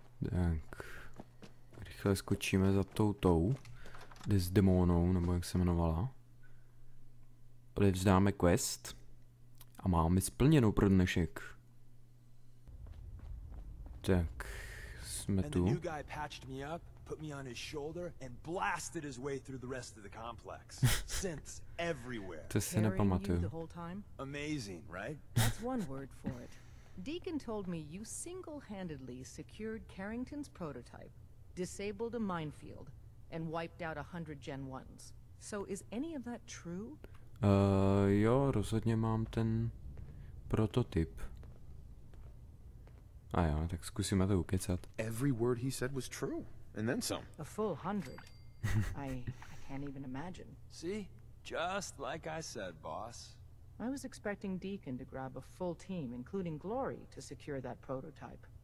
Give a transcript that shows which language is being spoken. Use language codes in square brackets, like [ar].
[cs] Tak. Rychle skočíme za toutou. Desdemonou, nebo jak se jmenovala. Odevzdáme quest a máme splněnou pro dnešek. Tak, jsme tu. [en] A nový patched me up, put me on his shoulder and blasted his way through the rest of the complex. Synths everywhere. [cs] To se nepamatuju. [en] Amazing, right? That's one word for it. Deacon told me you single-handedly secured Carrington's prototype, disabled a minefield and wiped out 100 Gen 1s. So is any of that true? [cs] Jo, rozhodně mám ten prototyp. A jo, tak zkusíme to ukecat. [en] Every word he said was true, and then some. A full 100. I can't even imagine. See? Just like I said, boss. I was expecting Deacon to grab a full team, including Glory, to secure that prototype.